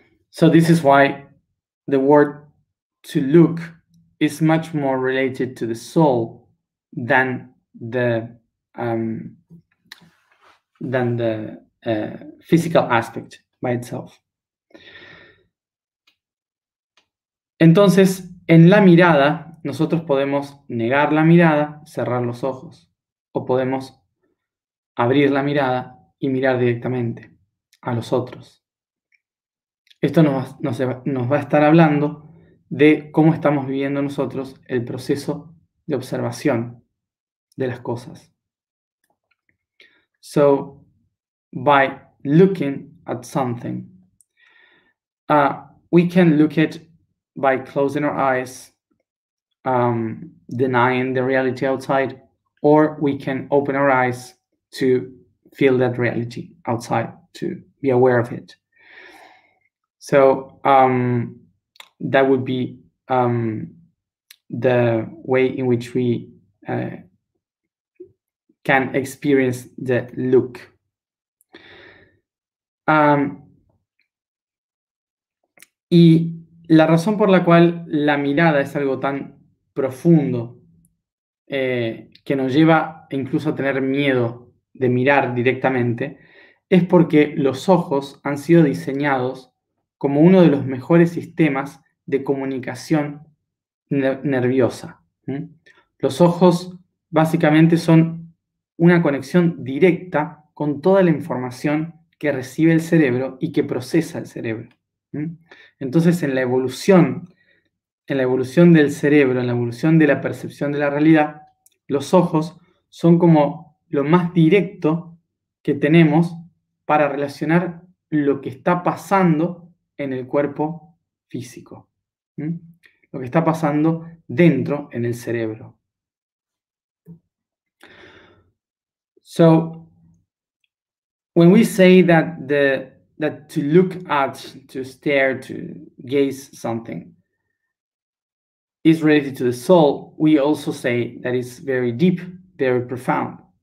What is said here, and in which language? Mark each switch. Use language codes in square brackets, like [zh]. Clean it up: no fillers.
[en] So this is why the word to look is much more related to the soul than the physical aspect by itself. [es] Entonces, en la mirada, nosotros podemos negar la mirada, cerrar los ojos, o podemos abrir la mirada y mirar directamente a los otros. Esto nos va a estar hablando de cómo estamos viviendo nosotros el proceso de observación de las cosas. [en] So, by looking at something, we can look at by closing our eyes, denying the reality outside, or we can open our eyes to feel that reality outside, to be aware of it. So that would be the way in which we can experience the look. [es] Y la razón por la cual la mirada es algo tan profundo que nos lleva incluso a tener miedo de mirar directamente es porque los ojos han sido diseñados como uno de los mejores sistemas de comunicación nerviosa. Los ojos básicamente son una conexión directa con toda la información que recibe el cerebro y que procesa el cerebro. Entonces, en la evolución del cerebro, en la evolución de la percepción de la realidad, los ojos son como lo más directo que tenemos para relacionar lo que está pasando en el cuerpo físico, lo que está pasando dentro en el cerebro. [en] So, when we say that that to look at, to stare, to gaze something is related to the soul, we also say that it's very deep, very profound.